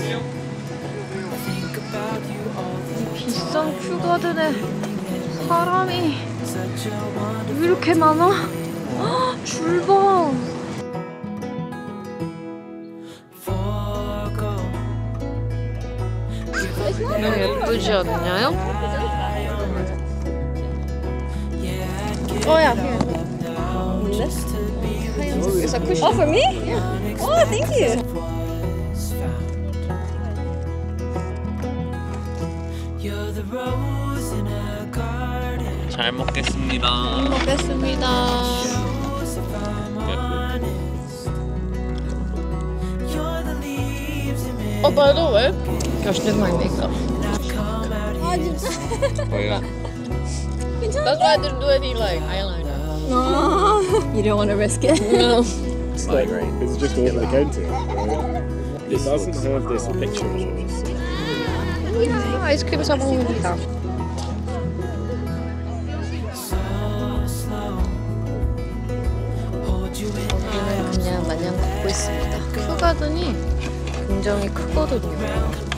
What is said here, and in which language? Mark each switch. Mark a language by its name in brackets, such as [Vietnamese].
[English] Think about you all the time. [Korean] 비싼 큐가든에 사람이 왜 이렇게 많아? 줄 봐. 너무 예쁘지 않냐요? 어야. 여기서 쿠션. [English] Oh, for me? Yeah. Oh, thank you. [Korean] 잘 먹겠습니다. 잘 먹겠습니다. 어, [English] by the way, [Korean] 결실 많이 내니까. 아, 진짜? 뭐야? 괜찮아. [English] That's why I didn't do any, like, eyeliner. You don't want to risk it? It's like, it's just over the counter. Right? It doesn't have this picture. Yeah, [Korean] 아이스크림 사먹습니다. 큐가든이 굉장히 크거든요.